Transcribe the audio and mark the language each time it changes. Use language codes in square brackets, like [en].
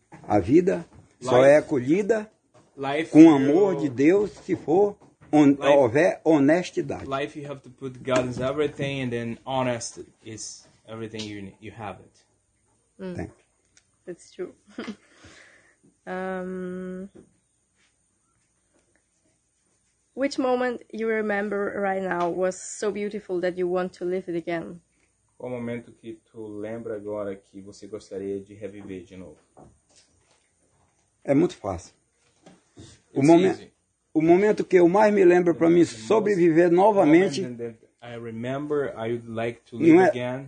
[pt] A vida life, só é acolhida life, com o amor de Deus se for houver honestidade. [en] Life, you have to put God in everything and then honest is everything you have it. That's true. Which moment you remember right now was so beautiful that you want to live it again? [pt] Qual momento que tu lembra agora que você gostaria de reviver de novo? É muito fácil. O momento que eu mais me lembro para mim sobreviver novamente [en] I remember, I would like to live again.